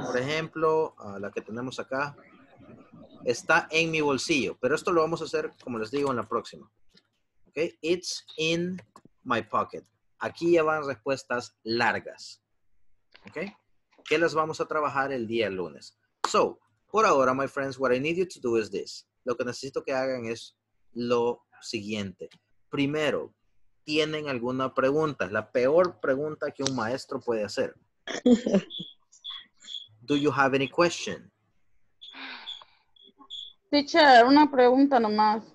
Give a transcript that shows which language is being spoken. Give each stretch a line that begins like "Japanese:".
Spanish: Por ejemplo, la que tenemos acá. Está en mi bolsillo. Pero esto lo vamos a hacer, como les digo, en la próxima.
English: Okay? It's in my pocket.
Spanish: Aquí ya van respuestas largas.
English: Okay?
Spanish: ¿Qué las vamos a trabajar el día lunes?
English: So,
Spanish: por ahora,
English: my friends, what I need you to do is this.
Spanish: Lo que necesito que hagan es lo siguiente. Primero, ¿tienen alguna pregunta? La peor pregunta que un maestro puede hacer.
English: Do you have any question?
Spanish: Teacher, una pregunta nomás.